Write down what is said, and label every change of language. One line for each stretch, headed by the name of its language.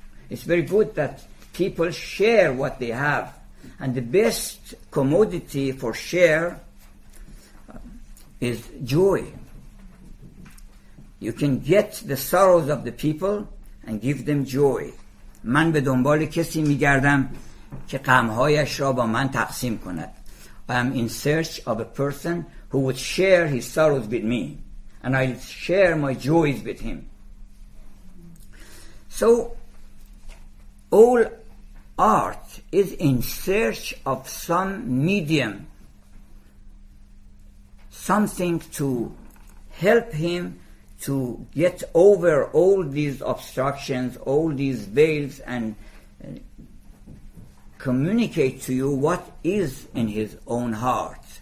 English: It's very good that people share what they have. And the best commodity for share is joy. You can get the sorrows of the people and give them joy.
Persian: من به دنبال کسی میگردم که غمهایش را با من تقسیم کند.
English: I am in search of a person who would share his sorrows with me, and I'll share my joys with him. So, all art is in search of some medium, something to help him to get over all these obstructions, all these veils, and communicate to you what is in his own heart.